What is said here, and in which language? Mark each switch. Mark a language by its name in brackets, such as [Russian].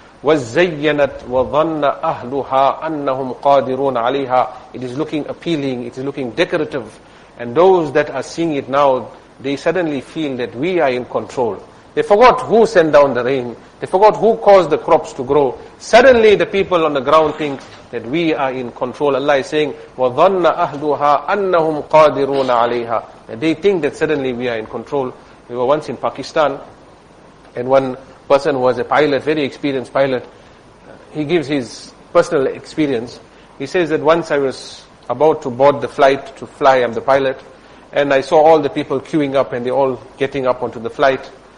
[Arabic] وَزَيَّنَتْ وَظَنَّ أَهْلُهَا أَنَّهُمْ قَادِرُونَ عَلَيْهَا. [English] It is looking appealing, it is looking decorative. And those that are seeing it now, they suddenly feel that we are in control. They forgot who sent down the rain. They forgot who caused the crops to grow. Suddenly the people on the ground think that we are in control. Allah is saying, [Arabic] وَظَنَّ أَهْلُهَا أَنَّهُمْ قَادِرُونَ عَلَيْهَا. [English] And they think that suddenly we are in control. We were once in Pakistan, and one person who was a pilot, very experienced pilot, he gives his personal experience. He says that once I was about to board the flight to fly, I'm the pilot, and I saw all the people queuing up and they're all getting up onto the flight.